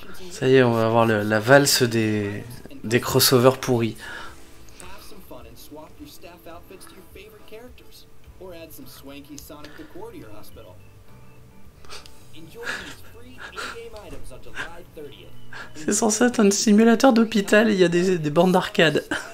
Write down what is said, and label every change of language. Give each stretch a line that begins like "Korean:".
French: Ça y est, on va avoir la valse des crossovers pourris.
English: Have some fun and swap your staff outfits to your favorite characters or add some swanky Sonic the Courtier hospital. Enjoy these free in-game items on July 30th.
French: C'est censé être un simulateur d'hôpital et il y a des bandes d'arcade.